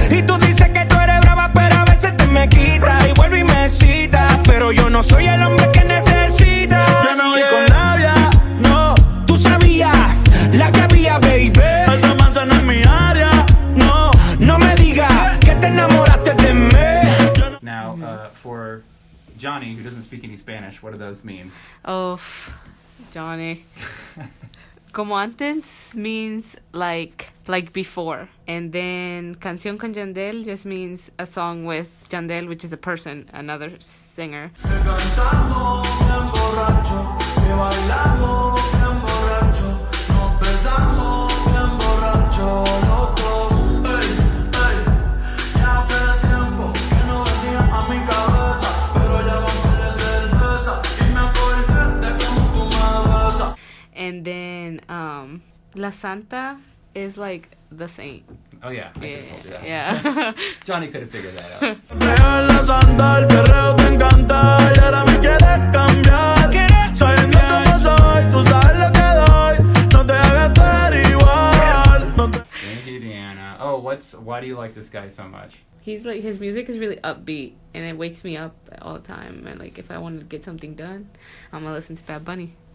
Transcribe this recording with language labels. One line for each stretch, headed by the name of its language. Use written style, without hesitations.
Spanish: Y tú dices que tú eres brava, pero a veces te me quita y vuelvo y me cita. Pero yo no soy el hombre que necesita. Yo no voy con labia, no, tú sabías. La que había, baby. Alta manzana en mi área. No, no me diga que te enamoraste de mí.
English: Now, for Johnny, who doesn't speak any Spanish, what do those mean? Oh, Johnny. Como antes means like before. And then Canción con Yandel just means a song with Yandel, which is a person, another singer. Que cantamos bien borracho, que bailamos bien borracho. And then La Santa is like the saint. Oh, yeah. Yeah. Johnny could have figured that out. La Santa, el perreo te encanta.
Spanish: Y ahora me quieres cambiar. Sabiendo cómo soy, tú sabes lo que doy. No te hagas estar igual. Thank you, Deanna.
English: Oh, why do you like this guy so much? He's like, his music is really upbeat, and it wakes me up all the time. And like, if I want to get something done, I'm gonna listen to Bad Bunny.